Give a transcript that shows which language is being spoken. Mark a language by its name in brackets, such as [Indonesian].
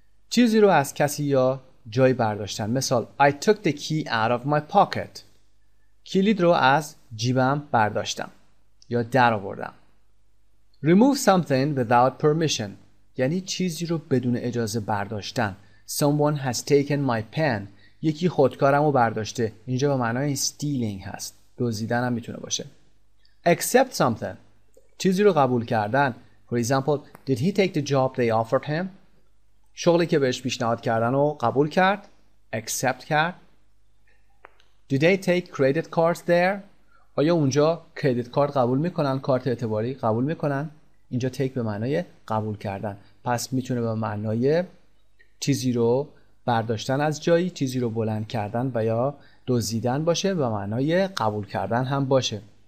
[Persian] چیزی رو از کسی یا جای برداشتن. [English] مثال: I took the key out of my pocket. [Persian] کلید رو از جیبم برداشتم یا در آوردم. [English] Remove something without permission. [Persian] یعنی چیزی رو بدون اجازه برداشتن. [English] Someone has taken my pen. یکی خودکارم رو برداشته. [Persian] اینجا به معنای stealing هست. دزدیدن هم میتونه باشه. [English] Accept something. [Persian] چیزی رو قبول کردن. For example, [English] did he take the job they offered him? [Persian] شغلی که بهش پیشنهاد کردن رو قبول کرد. Accept کرد. [English] Do they take credit cards there? [Persian] آیا اونجا credit card قبول میکنن؟ کارت اعتباری قبول میکنن؟ اینجا take به معنای قبول کردن، پس میتونه به معنای چیزی رو برداشتن از جایی، چیزی رو بلند کردن و یا دزدیدن باشه، به معنای قبول کردن هم باشه.